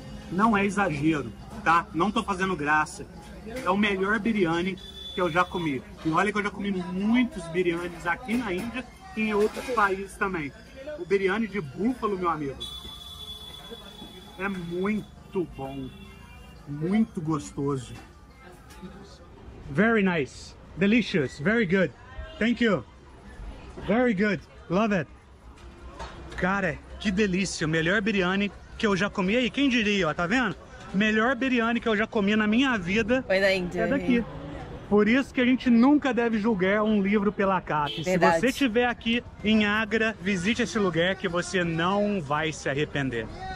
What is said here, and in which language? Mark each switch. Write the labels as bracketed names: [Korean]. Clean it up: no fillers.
[Portuguese] Não é exagero, tá? Não tô fazendo graça. É o melhor biryani que eu já comi. E olha que eu já comi muitos biryanis aqui na Índia e em outros países também. O biryani de búfalo, meu amigo, é muito bom. Muito gostoso. [English] Very nice, delicious, very good, thank you, very good, love it. [Portuguese] Cara, que delícia, o melhor biryani que eu já comi. E aí, quem diria, ó, tá vendo? melhor biryani que eu já comi na minha vida. Foi na Índia. É daqui. Por isso que a gente nunca deve julgar um livro pela capa. Se você estiver aqui em Agra, visite esse lugar que você não vai se arrepender.